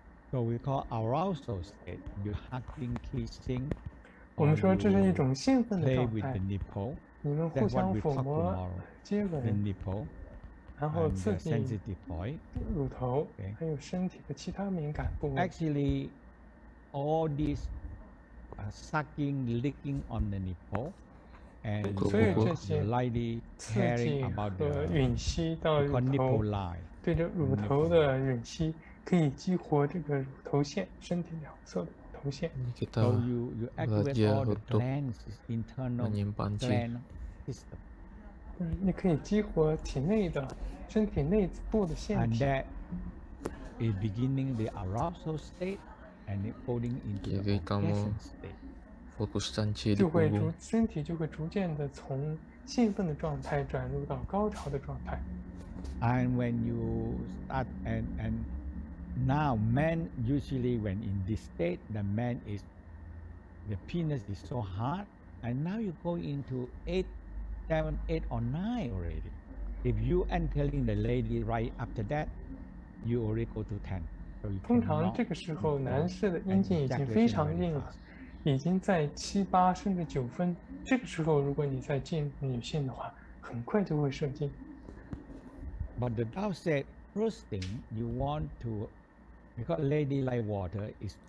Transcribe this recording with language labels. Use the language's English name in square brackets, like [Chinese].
[English] So we call arousal state. You hugging, kissing. [Chinese] 我们说这是一种兴奋的状态。 [English] Play with the nipple. [Chinese] 你们互相抚摸、接吻。 [English] The nipple. [Chinese] 然后刺激。 [English] Sensitive point. [Chinese] 乳头。Okay. 还有身体的其他敏感部位。 [English] Actually, all this, sucking, licking on the nipple. And lightly caring about the nipple line. [Chinese] 对着乳头的吮吸，可以激活这个乳头腺，身体两侧的乳头腺。 [English] So you activate all the glands, internal gland system. [Chinese] 你可以激活体内的身体内部的腺体。 [English] And that is beginning the arousal state, and it falling into the orgasm state. [Chinese] 就会逐身体就会逐渐的从兴奋的状态转入到高潮的状态。 [English] And when you start and now men usually when in this state the man is the penis is so hard and now you go into 8, 7, 8 or 9 already. If you entering the lady right after that, you already go to 10. [Chinese] 通常这个时候男士的阴茎已经非常硬了。已经在七八甚至九分，这个时候如果你再进女性的话，很快就会射精。 [English] But the Tao said, first thing you want to, because lady like water is